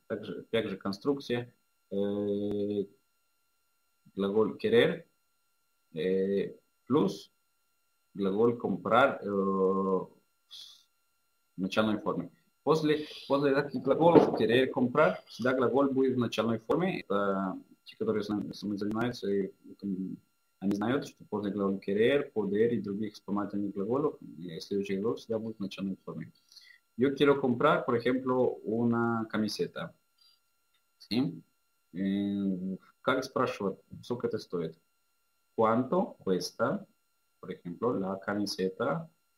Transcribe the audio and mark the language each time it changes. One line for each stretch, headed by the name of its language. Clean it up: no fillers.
Russian: Также конструкция. Глагол querer плюс глагол comprar в начальной форме. После таких глаголов querer comprar, всегда глагол будет в начальной форме. Это те, которые сами занимаются, они знают, что после глагола querer, poder и других вспомогательных глаголов следующий глагол всегда будет в начальной форме.
Spanish: Yo quiero comprar, por ejemplo, una camiseta. ¿Sí?
Russian: Как спрашивать, сколько это стоит?
Spanish: ¿Cuánto cuesta, por ejemplo, la camiseta?